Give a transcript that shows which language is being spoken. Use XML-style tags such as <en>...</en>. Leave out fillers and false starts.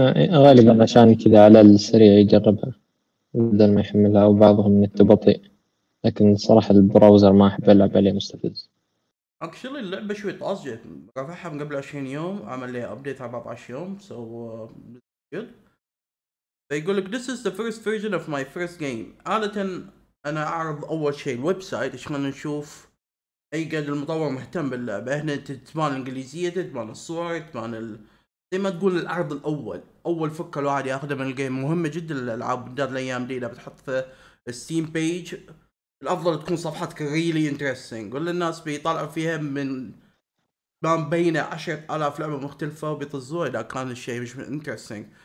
<ar>غالبا عشان كذا على السريع يجربها بدل ما يحملها، وبعضهم نت بطيء. لكن صراحة البراوزر ما أحب ألعب عليه، مستفز. Actually اللعبة شوي طازجة، رفعها من قبل 20 يوم، عمل لي أبديت 14 يوم،</ar> <en>so good.</en> <ar>فيقولك</ar> <en>this is the first version of my first game.</en> <ar>عادة أنا أعرض أول شيء الويب سايت عشان نشوف اي قد المطور مهتم باللعبة. هنا تتبان الانجليزية، تتبان الصور، تتبان زي ما تقول العرض الاول، اول فكرة الواحد ياخذها من الجيم. مهمة جدا الالعاب بدات الايام دي، لو بتحط في الستيم بيج الافضل تكون صفحتك</ar> <en>really interesting,</en> <ar>كل الناس بيطالعوا فيها من بان بين 10,000 لعبة مختلفة وبيطزوها اذا كان الشيء مش انترستنج.</ar>